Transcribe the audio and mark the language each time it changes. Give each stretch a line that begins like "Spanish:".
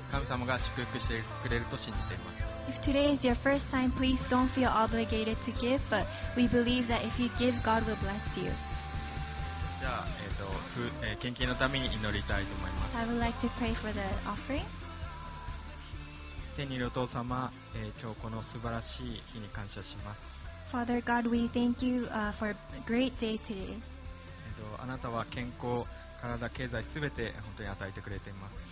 Japanese: 神様が祝福してくれると信じています。
English: If today is your first time, please don't feel obligated to give, but we believe that if you give, God will bless you.
Japanese: じゃあ、献金のために祈りたいと思います。
English: I would like to pray for the offering.
Japanese: 天にいるお父様、今日この素晴らしい日に感謝します。
English: Father God, we thank you for a great day today.
Japanese: あなたは健康、体、経済すべて本当に与えてくれています。